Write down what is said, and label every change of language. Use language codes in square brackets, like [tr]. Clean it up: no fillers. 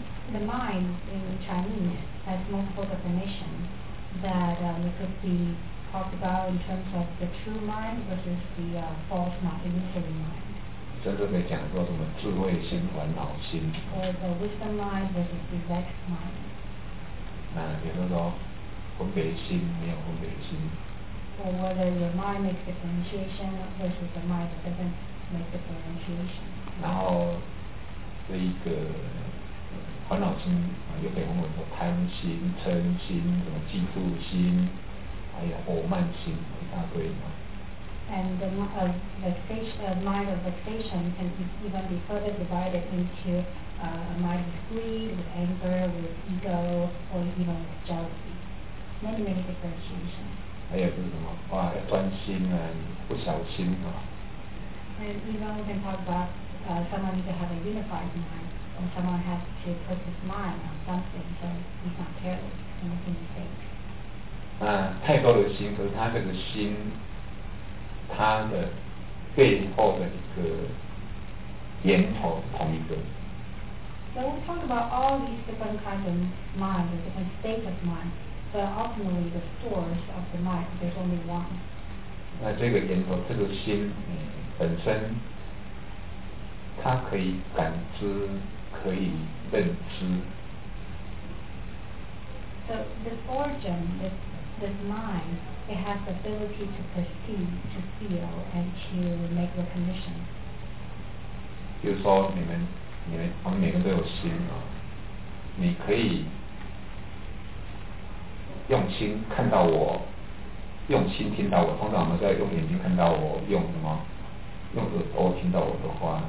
[en] The mind in Chinese has multiple definitions that it could be talked about in terms of the true mind versus the false mind, illusory mind. [zh] 甚至可以讲说什么智慧心、烦恼心。 [en] Or the wisdom mind versus the vexed mind. [zh] 比如说分别心没有分别心。 [en] Or whether your mind makes differentiation versus the mind that doesn't make differentiation. [zh] 然后这一个烦恼心又可以分为说贪心、嗔心、什么嫉妒心，还有傲慢心一大堆嘛。 [en] And the mind of vexation can even be further divided into a mind with greed, with anger, with ego, or even with jealousy. Many, many differentiations. [zh] 还有就是什么话要专心啊，不小心啊。 [en] And even we can talk about someone needs to have a unified mind, or someone has to put his mind on something so he's not careless in making mistakes. [zh] 那太高的心，可是他这个心，他的背后的一个源头是同一个。 [en] So we talk about all these different kinds of mind, different state of mind, but ultimately the source of the mind, there's only one. [zh] 那这个源头，这个心，本身，它可以感知，可以认知。 [en] So this origin, this mind, it has the ability to perceive, to feel, and to make recognition. [zh] 比如说我们每个人都有心啊，你可以用心看到我，用心听到我。通常我们在用眼睛看到我，用什么？用耳朵听到我的话。